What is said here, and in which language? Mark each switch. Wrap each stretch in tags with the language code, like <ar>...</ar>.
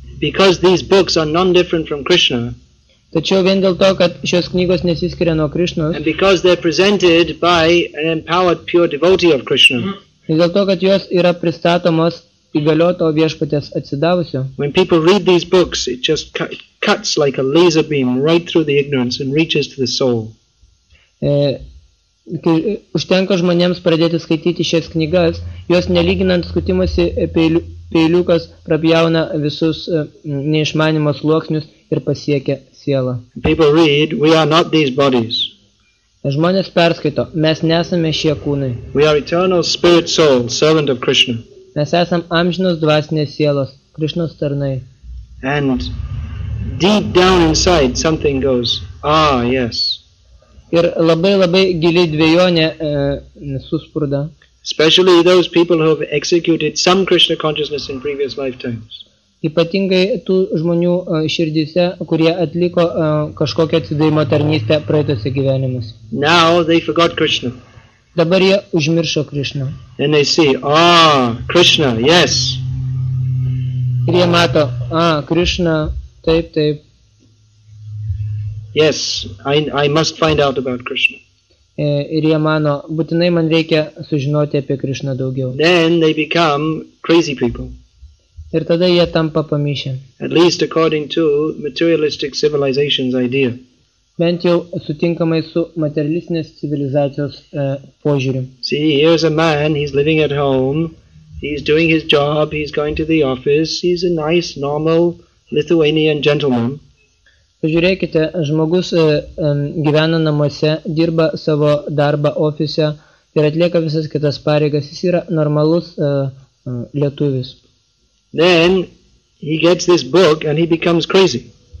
<en>Because these books are non-different from Krishna.</en> <lt>Tačiau vien dėl to, kad šios knygos nesiskiria nuo Krišnos.</lt> <en>And because they're presented by an empowered pure devotee of Krishna.</en> <lt>Vien dėl to, kad jos yra pristatomos įgalioto viešpaties atsidavusio.</lt> <en>When people read these books, it just cuts like a laser beam right through the ignorance and reaches to the soul.</en> <lt>Kai užtenka žmonėms pradėti skaityti šias knygas, jos nelyginant skutimosi peiliukas prapjauna visus neišmanimo sluoksnius ir pasiekia sielą.</lt> <en>People read, we are not these bodies.</en> <lt>Žmonės perskaito, mes nesame šie kūnai.</lt> <en>We are eternal spirit soul, servant of Krishna.</en> <lt>Mes esam amžinos dvasinės sielos, Krišnos tarnai.</lt> <en>And deep down inside something goes, ah, yes.</en> <lt>Ir labai labai giliai dvejonė susprūda.</lt> <en>Especially those people who have executed some Krishna consciousness in previous lifetimes.</en> <lt>Ypatingai tų žmonių širdyse, kurie atliko kažkokią atsidavimo tarnystę praeituose gyvenimuose.</lt> <en>Now they forgot Krishna.</en> <lt>Dabar jie užmiršo Krishna.</lt> <en>And they see, ah, Krishna, yes.</en> <lt>Ir jie mato, ah, Krishna, taip, taip.</lt> <en>Yes, I must find out about Krishna.</en> <lt>Ir jie mano, būtinai man reikia sužinoti apie Krishna daugiau.</lt> <en>Then they become crazy people.</en> <lt>Ir tada jie tampa pamišę.</lt> <en>At least according to materialistic civilization's idea.</en> <lt>Bent jau sutinkamai su materialistinės civilizacijos požiūriu.</lt> <en>See, here's a man, he's living at home, He's doing his job, he's going to the office, he's a nice, normal Lithuanian gentleman.</en> <lt>Pažiūrėkite, žmogus gyvena namuose, dirba savo darbą ofise ir atlieka visas kitas pareigas. Jis yra normalus lietuvis.</lt> <en>Then he gets this book and he becomes crazy.</en>